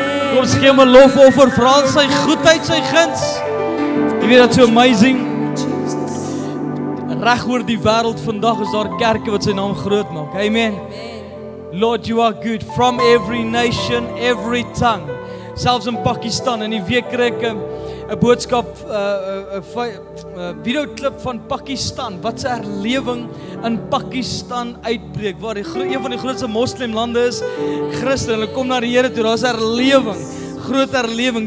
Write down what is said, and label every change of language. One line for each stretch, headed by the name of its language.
Afrikaans: Kom ons gee hom 'n lofoffer, vra sy goedheid, sy guns. Jy weet, dat's so amazing. Reg oor die wêreld vandag is daar kerke wat sy naam groot maak. Amen. Amen.
English: Lord, you are good from every nation, every tongue.
Afrikaans: Selfs in Pakistan, in die week kry ek 'n boodskap, 'n video klip van Pakistan, wat se herlewing in Pakistan uitbreek, waar die een van die grootste moslim lande is, Christen, hulle kom na die Here toe, daar's herlewing, groot herlewing.